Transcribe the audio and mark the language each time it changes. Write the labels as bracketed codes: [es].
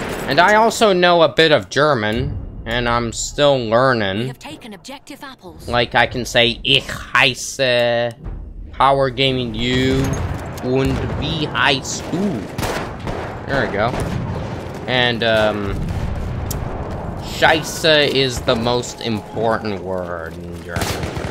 [en] And I also know a bit of German, and I'm still learning. We have taken objective apples. Like I can say, [de] ich heiße Power Gaming U und wie heißt du? [en] There we go. And Scheiße is the most important word in German.